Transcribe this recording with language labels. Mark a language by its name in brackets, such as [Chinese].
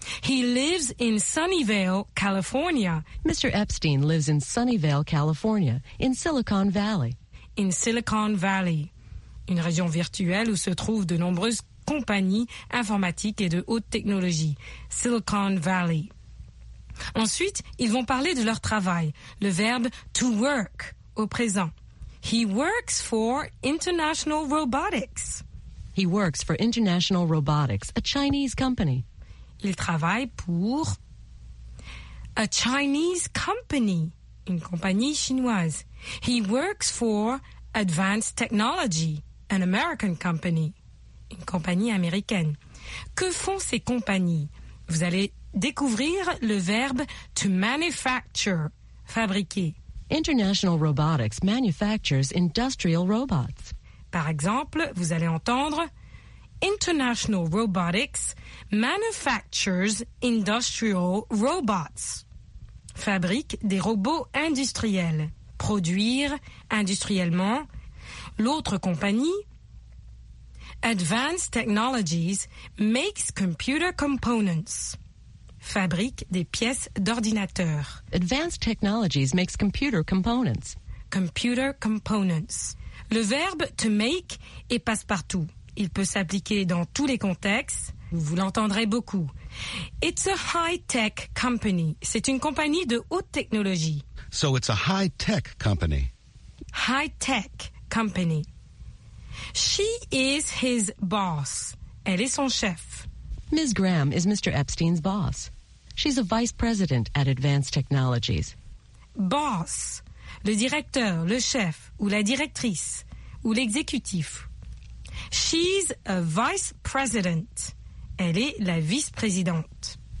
[English] He lives in Sunnyvale, California. Mr. Epstein lives in Sunnyvale, California, in Silicon Valley. [French] In Silicon Valley, une région virtuelle où se trouvent de nombreuses compagnies informatiques et de haute technologie. Silicon Valley. Ensuite, ils vont parler de leur travail, le verbe to work au présent. [English] He works for International Robotics. He works for International Robotics, a Chinese company. [French] Il travaille pour [English] a Chinese company, [French] une compagnie chinoise. [English] He works for Advanced Technology, an American company, [French] une compagnie américaine. Que font ces compagnies? Vous allez découvrir le verbe to manufacture, fabriquer. [English] International Robotics manufactures industrial robots. [French] Par exemple, vous allez entendre [English] International Robotics manufactures industrial robots. [French] Fabrique des robots industriels. Produire industriellement. L'autre compagnie, [English] Advanced Technologies makes computer components. [French] Fabrique des pièces d'ordinateur. [English] Advanced Technologies makes computer components. Computer components. [French] Le verbe to make est passe-partout. Il peut s'appliquer dans tous les contextes. Vous l'entendrez beaucoup. [English] It's a high-tech company. [French] C'est une compagnie de haute technologie. [English] So it's a high-tech company. High-tech company. She is his boss. [French] Elle est son chef. [English] Ms. Graham is Mr. Epstein's boss. She's a vice president at Advanced Technologies. Boss. [French] Le directeur, le chef ou la directrice ou l'exécutif. [English] She's a vice president. [French] Elle est la vice-présidente.